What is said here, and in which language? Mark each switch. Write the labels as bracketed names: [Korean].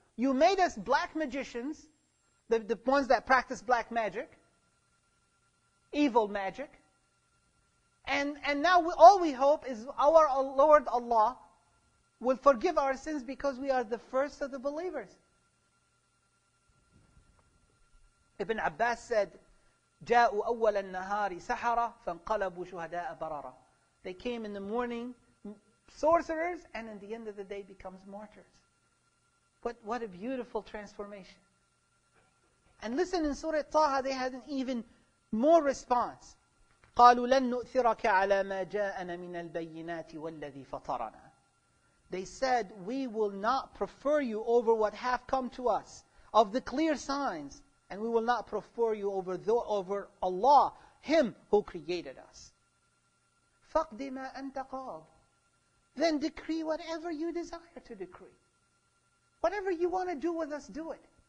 [English] You made us black magicians, the ones that practice black magic, evil magic. And now all we hope is our Lord Allah will forgive our sins because we are the first of the believers. Ibn Abbas said, [Arabic] جاءوا أول النهار سحرة فانقلبوا شهداء برارة. [English] They came in the morning, sorcerers, and in the end of the day becomes martyrs. What a beautiful transformation. And listen, in Surah Taha, they had an even more response. [Arabic] قالوا لن نؤثرك على ما جاءنا من البينات والذي فطرنا. [English] They said, we will not prefer you over what have come to us of the clear signs. And we will not prefer you over Allah, Him who created us. [Arabic] فَقْدِ مَا أَنْتَ قَاضٍ. [English] Then decree whatever you desire to decree. Whatever you want to do with us, do it.